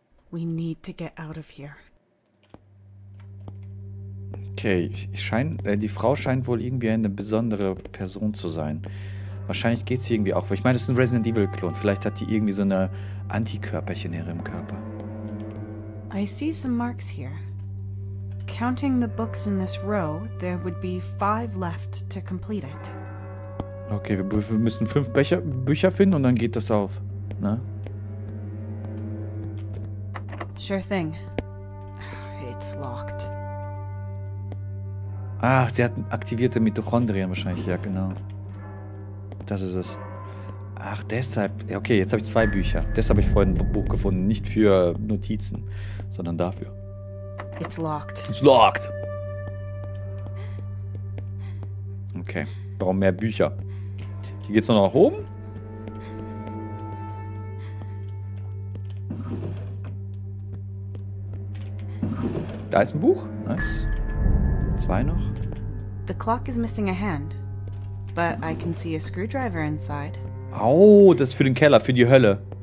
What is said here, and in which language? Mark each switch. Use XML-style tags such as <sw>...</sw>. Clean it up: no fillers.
<en>We need to get out of here.</en> <de>Okay, die Frau scheint wohl irgendwie eine besondere Person zu sein. Wahrscheinlich geht es irgendwie auch. Ich meine, das ist ein Resident Evil Klon. Vielleicht hat die irgendwie so eine Antikörperchen hier im Körper.</de> <en>I see some marks here. Counting the books in this row, there would be 5 left to complete it.</en> <de>Okay, wir müssen 5 Bücher finden und dann geht das auf. Na?</de> <en>Sure thing. It's locked.</en> <de>Ach, sie hat aktivierte Mitochondrien wahrscheinlich, ja genau. Das ist es. Ach, deshalb. Okay, jetzt habe ich 2 Bücher. Deshalb habe ich vorhin ein Buch gefunden. Nicht für Notizen, sondern dafür.</de> <en>It's locked. It's locked.</en> <de>Okay. Warum mehr Bücher? Hier geht's noch nach oben. Da ist ein Buch. Nice. 2 noch.</de> <en>The clock is missing a hand, but I can see a screwdriver inside.</en> <de>Oh, das ist für den Keller, für die Hölle.</de>